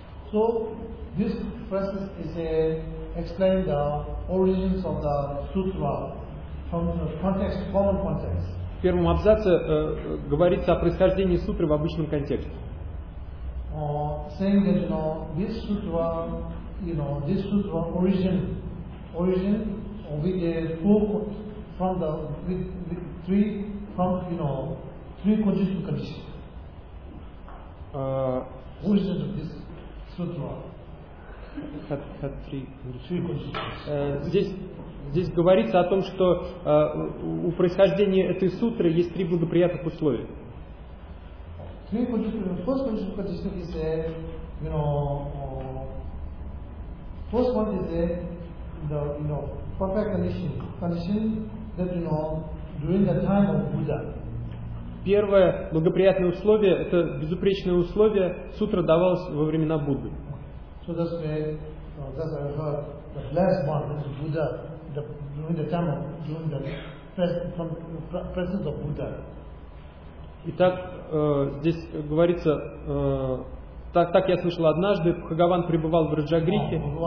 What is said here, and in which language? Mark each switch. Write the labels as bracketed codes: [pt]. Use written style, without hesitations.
[en] So this phrase is explain the origins of the sutra from the context, common context. [ru] В первом абзаце говорится о происхождении сутры в обычном контексте. [en] Saying that this sutra origin with a four from the with three from three conditions of condition. Origin of this sutra. Had three conditions. [ru] Здесь говорится о том, что у происхождения этой сутры есть три благоприятных условия. [en] Three conditions. First condition of condition is a First one is the, perfect condition. Condition that you know during the time of Buddha. [ru] Первое благоприятное условие – это безупречное условие, сутра давалось во времена Будды. [en] So that's where, the blessed one, this Buddha, during the time of, during the presence of Buddha. [ru] Итак, здесь говорится, так я слышал однажды, Бхагаван пребывал в Раджагрихе.